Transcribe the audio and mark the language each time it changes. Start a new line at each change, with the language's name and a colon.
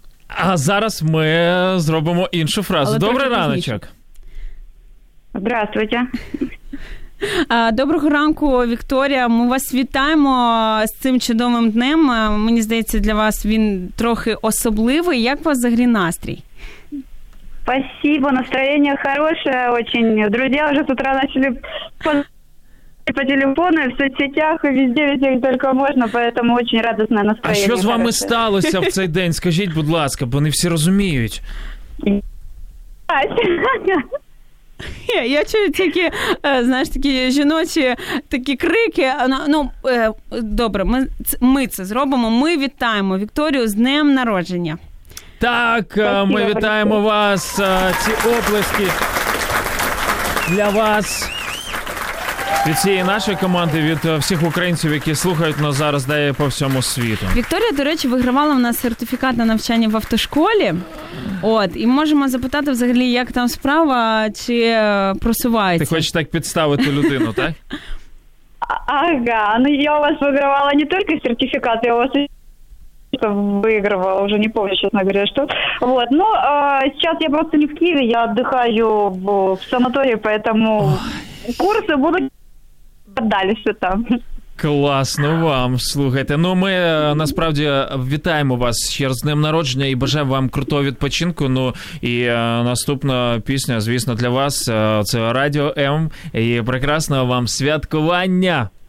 Ukrainian: А зараз ми зробимо іншу фразу. Але добрий раночок.
Russian: Здравствуйте.
Ukrainian: Доброго ранку, Вікторія. Ми вас вітаємо з цим чудовим днем. Мені здається, для вас він трохи особливий. Як у вас взагалі настрій?
Russian: Спасибо, настроение хорошее очень. Друзья уже с утра начали по телефону, в соцсетях, и везде, везде, где только можно, поэтому очень радостное настроение. А что
Ukrainian: с вами сталося в цей день? Скажите, будь ласка, бо не всі розуміють. Я чую тільки, знаєш, такі жіночі такі крики. Ну, добре, ми це зробимо. Ми вітаємо Вікторію з днем народження. Так, спасибо, ми вітаємо вас, ці оплески для вас від цієї нашої команди, від всіх українців, які слухають нас зараз, де по всьому світу. Вікторія, до речі, вигравала в нас сертифікат на навчання в автошколі. От, і можемо запитати взагалі, як там справа, чи просувається. Ти хочеш так підставити людину, так? Ага, ну я у вас вигравала не тільки сертифікат, я у вас...
Russian: выигрывала, уже не помню, честно говоря, что. Вот, но сейчас я просто не в Киеве, я отдыхаю в санатории, поэтому курсы будут отдали все там.
Ukrainian: Класно вам, слухайте. Ну, ми насправді вітаємо вас ще раз з днем народження і бажаємо вам крутого відпочинку. Ну, і наступна пісня, звісно, для вас, це Радіо М. І прекрасного вам святкування!